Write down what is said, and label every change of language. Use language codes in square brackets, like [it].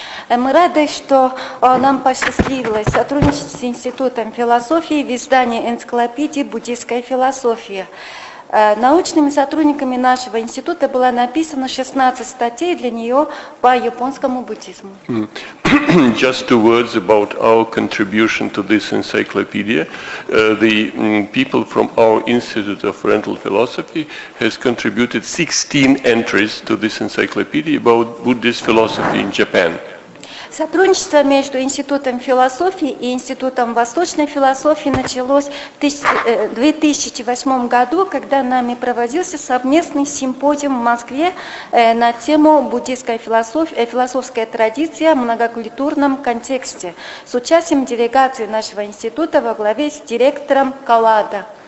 [ru] Мы рады, что нам посчастливилось сотрудничать с Институтом философии в издании энциклопедии буддийской философии. Научными сотрудниками нашего института было написано 16 статей для нее по японскому буддизму. [en] Just two words about our contribution to this encyclopedia. The people from our Institute of Oriental Philosophy has contributed 16 entries to this encyclopedia about Buddhist philosophy in Japan. [ru] Сотрудничество между Институтом философии и Институтом восточной философии началось в 2008 году, когда нами проводился совместный симпозиум в Москве на тему буддийской философии, философская традиция в многокультурном контексте с участием делегации нашего института во главе с директором Калада.